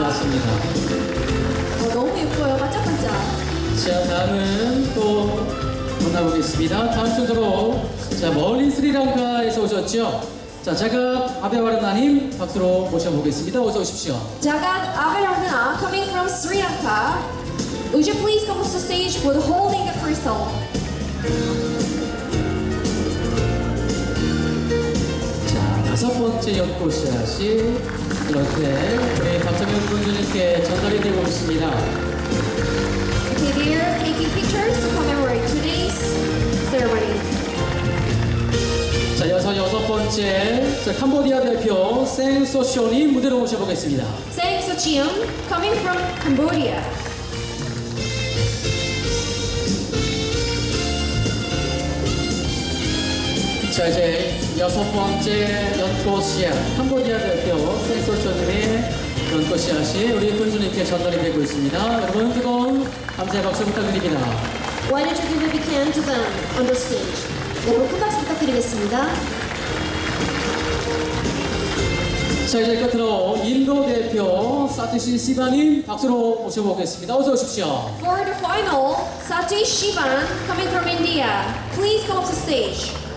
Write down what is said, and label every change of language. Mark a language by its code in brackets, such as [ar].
[ko] 맞습니다. 너무 예뻐요. 반짝반짝. 자, 다음은 또 만나보겠습니다. 다음 순서로 자, 멀리 스리랑카에서 오셨죠. 자, 자갓 아베와르나님 박수로 모셔보겠습니다. 어서 오십시오. [en] 자갓 아베와르나 coming from Sri Lanka. Would you please come up to the stage for the holding of crystal? [ko] 자, 다섯 번째 연꽃 씨앗이 이렇게 우리 박정현 교수님께 전달이 되고 있습니다. [en] Okay, they are taking pictures to commemorate today's ceremony. [ko] 자, 여섯 번째 자, 캄보디아 대표 생 소시온이 무대로 모셔보겠습니다. [en] 생 소시온 coming from Cambodia. [ko] 자, 이제 여섯 번째 연꽃 씨앗 캄보디아 대표 생 소시온의 연꽃 씨앗이 우리 군수님께 전달이 되고 있습니다. 여러분 뜨거운 감사의 박수 부탁드립니다. [en] Why did you give a big hand to them on the stage? [ko] 여러분 큰 박수 부탁드리겠습니다. 자, 이제 끝으로 인도 대표 사티시 시반님 박수로 모셔보겠습니다. 어서 오십시오. [en] For the final, Satish Sivan coming from India. Please come up to stage.